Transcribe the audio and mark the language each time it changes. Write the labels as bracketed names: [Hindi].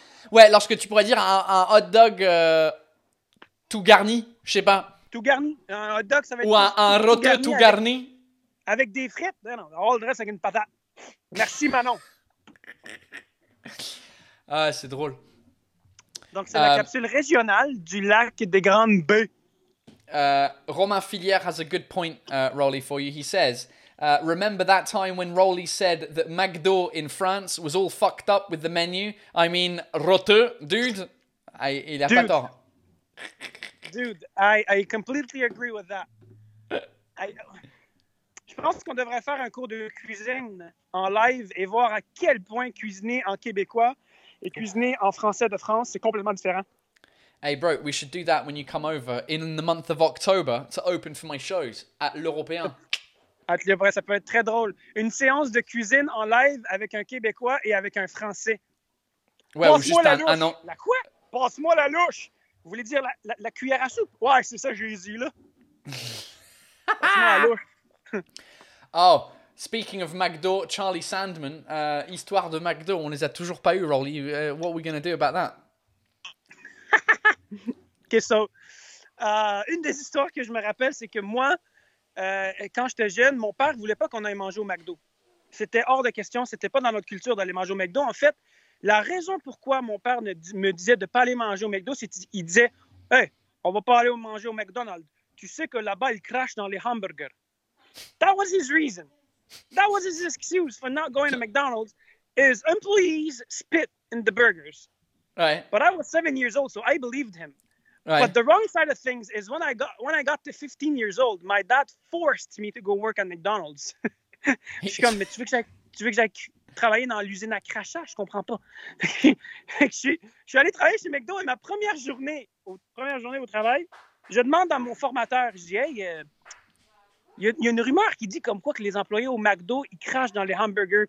[French] Ouais, lorsque tu pourrais dire un hot dog tout garni, je sais pas. Tout garni? Un hot dog, ça va être... Ou un roteux tout garni? Avec des frites? Non, non, all dressed avec une patate. Merci, Manon. Ah, c'est drôle. Donc, c'est la capsule régionale du lac des Grandes Bœufs. [English] Romain Filière has a good point, Rolly, for you. He says, remember that time when Rolly said that McDo in France was all fucked up with the menu? I mean, roteux, dude. [French] Il a pas tort. [English] Dude, I completely agree with that. [French] Je pense qu'on devrait faire un cours de cuisine en live et voir à quel point cuisiner en québécois et cuisiner en français de France, c'est complètement différent. [English] Hey bro, we should do that when you come over in the month of October to open for my shows at L'Européen. [French] At L'Européen, ça peut être très drôle. Une séance de cuisine en live avec un Québécois et avec un Français. Ouais, passe-moi juste la louche. Non. La quoi? Passe-moi la louche. Vous voulez dire la cuillère à soupe? Ouais, c'est ça que j'ai dit là. Passe-moi la louche. [English] Oh, speaking of McDo, [French] Charlie Sandman, histoire de McDo, on les a toujours pas eu, Rolly. [English] What are we going to do about that? [French] Okay, so, une des histoires que je me rappelle, c'est que moi, quand j'étais jeune, mon père ne voulait pas qu'on aille manger au McDo. C'était hors de question, c'était pas dans notre culture d'aller manger au McDo. En fait, la raison pourquoi mon père me disait de ne pas aller manger au McDo, c'est qu'il disait « Hey, on va pas aller manger au McDonald's. Tu sais que là-bas, ils crachent dans les hamburgers. » [English] That was his reason. That was his excuse for not going to McDonald's. His employees spit in the burgers. Right. But I was 7 years old, so I believed him. Right. But the wrong side of things is when I got to 15 years old, my dad forced me to go work at McDonald's. [French] Je suis comme, mais tu veux que j'aille travailler dans l'usine à crachat? Je comprends pas. je suis allé travailler chez McDo et ma première journée au travail, je demande à mon formateur, je dis, hey, il y a une rumeur qui dit comme quoi que les employés au McDo, ils crachent dans les hamburgers.